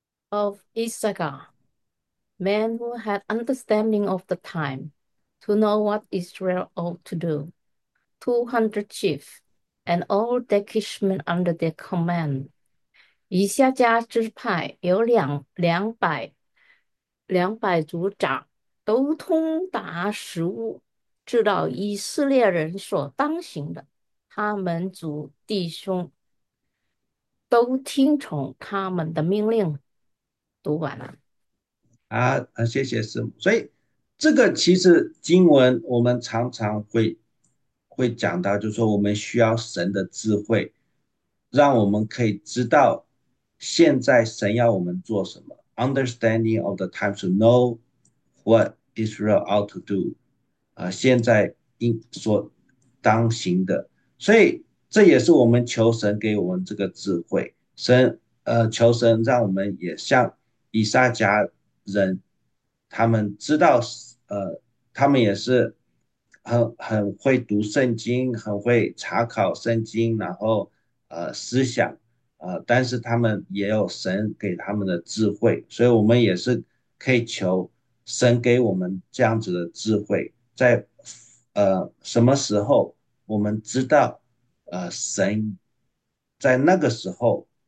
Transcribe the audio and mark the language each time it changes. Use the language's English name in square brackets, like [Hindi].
[English] Of Issachar, men who had understanding of the time to know what Israel ought to do, 200 chiefs and all the kinsmen under their command. [Chinese] 以撒家支派有两百族长都通达实务，知道以色列人所当行的。他们族弟兄都听从他们的命令。读完了。谢谢师母。所以这个其实经文我们常常会讲到，就是说我们需要神的智慧，让我们可以知道现在神要我们做什么。 [English] Understanding of the time to know what Israel ought to do， [Chinese] 现在应所当行的。所以这也是我们求神给我们这个智慧，求神让我们也像以撒家人，他们知道，他们也是很会读圣经，很会查考圣经，然后思想，但是他们也有神给他们的智慧，所以我们也是可以求神给我们这样子的智慧，在什么时候我们知道，神在那个时候